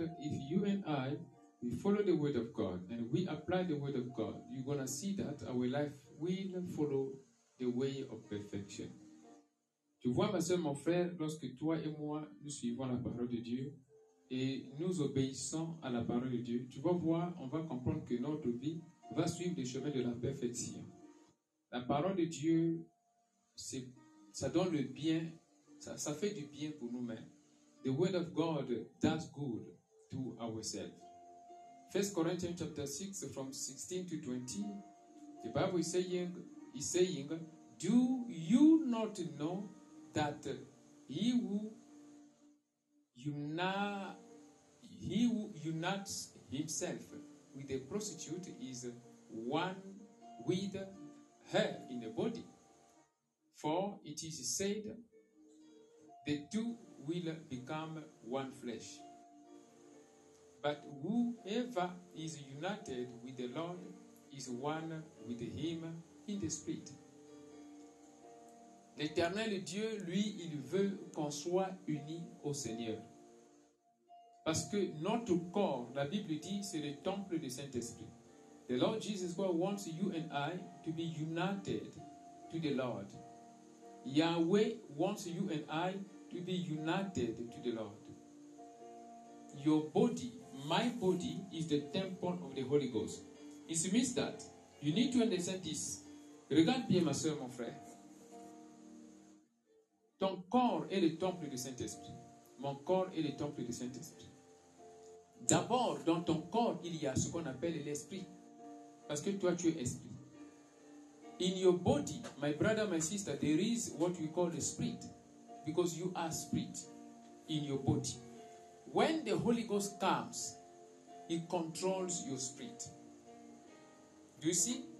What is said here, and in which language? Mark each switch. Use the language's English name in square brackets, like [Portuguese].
[English] If you and I, we follow the word of God and we apply the word of God, you're going to see that our life will follow the way of perfection. [French] Tu vois, ma soeur, mon frère, lorsque toi et moi, nous suivons la parole de Dieu et nous obéissons à la parole de Dieu, tu vas voir, on va comprendre que notre vie va suivre le chemin de la perfection. La parole de Dieu, c'est, ça donne le bien, ça fait du bien pour nous-mêmes. [English] The word of God does good to ourselves. 1 Corinthians chapter 6, from 16 to 20, the Bible is saying, do you not know that he who unites himself with a prostitute is one with her in the body? For it is said, the two will become one flesh. But whoever is united with the Lord is one with him in the spirit. [French] L'Éternel Dieu, lui, il veut qu'on soit unis au Seigneur. Parce que notre corps, la Bible dit, c'est le temple du Saint-Esprit. [English] The Lord Jesus God wants you and I to be united to the Lord. Yahweh wants you and I to be united to the Lord. Your body, my body, is the temple of the Holy Ghost. It means that you need to understand this. [French] Regarde bien, ma soeur, mon frère. Ton corps est le temple du Saint-Esprit. Mon corps est le temple du Saint-Esprit. D'abord, dans ton corps, il y a ce qu'on appelle l'esprit. Parce que toi, tu es esprit. [English] In your body, my brother, my sister, there is what we call the spirit. Because you are spirit in your body. When the Holy Ghost comes, he controls your spirit. Do you see?